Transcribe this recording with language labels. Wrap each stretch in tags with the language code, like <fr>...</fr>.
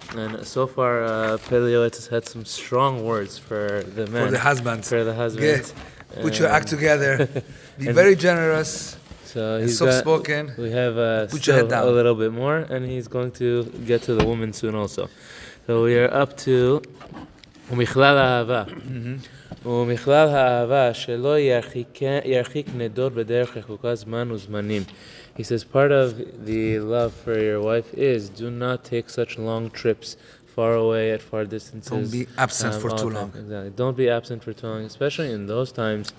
<en>And so far, Pele Yoetz has had some strong words for the men. For the husbands. For the husbands. Yeah. Put your act together. Be very generous. So he's soft-spoken. We have a little bit more, and he's going to get to the woman soon also. So we are up to Umichlal Ahava.</en> <he>ומכלל האהבה שלא ירחיק נדור בדרך רחוקה זמן וזמנים.</he> <en>He says, part of the love for your wife is do not take such long trips far away at far distances. Don't be absent for too long. Exactly. Don't be absent for too long, especially in those times.</en>